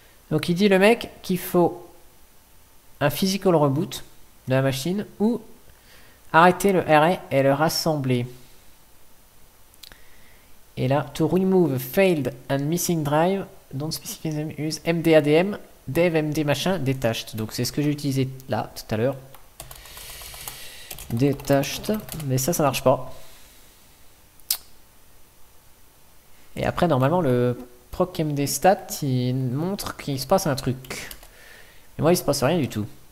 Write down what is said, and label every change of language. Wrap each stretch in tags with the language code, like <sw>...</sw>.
<fr>Donc il dit le mec qu'il faut un</fr> <en>physical reboot</en> <fr>de la machine ou arrêter le RA et le rassembler. Et là,</fr> <en>to remove failed and missing drive, don't specifically use MDADM.</en> <fr>Dev MD machin detached, donc c'est ce que j'ai utilisé là tout à l'heure. Detached, mais ça marche pas. Et après normalement le proc MD stat il montre qu'il se passe un truc. Mais moi il se passe rien du tout.</fr>